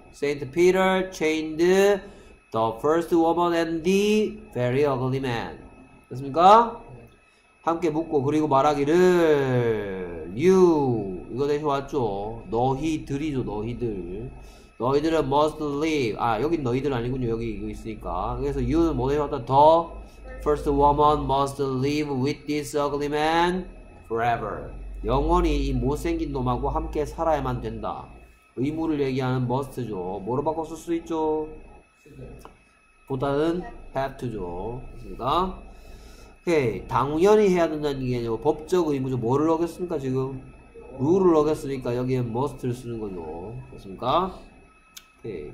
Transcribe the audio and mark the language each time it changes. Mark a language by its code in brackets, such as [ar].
[en] Saint Peter chained the first woman and the very ugly man. [ko] 됐습니까? 함께 묶고 그리고 말하기를 you 이거 대신 왔죠. 너희들이죠. 너희들. 너희들은 [en] must leave. [ko] 아 여긴 너희들 아니군요. 여기 이거 있으니까. 그래서 you는 뭐 대신 왔다. [en] The first woman must leave with this ugly man forever. [ko] 영원히 이 못생긴 놈하고 함께 살아야만 된다. 의무를 얘기하는 must죠. 뭐로 바꿔 쓸 수 있죠? 보다는 have to죠. 그러니까 오케이. 당연히 해야 된다는 게 아니고 법적 의무죠. 뭐를 어겼습니까 지금? 룰을 어겼으니까 여기에 must를 쓰는 거죠. 그렇습니까? 오케이.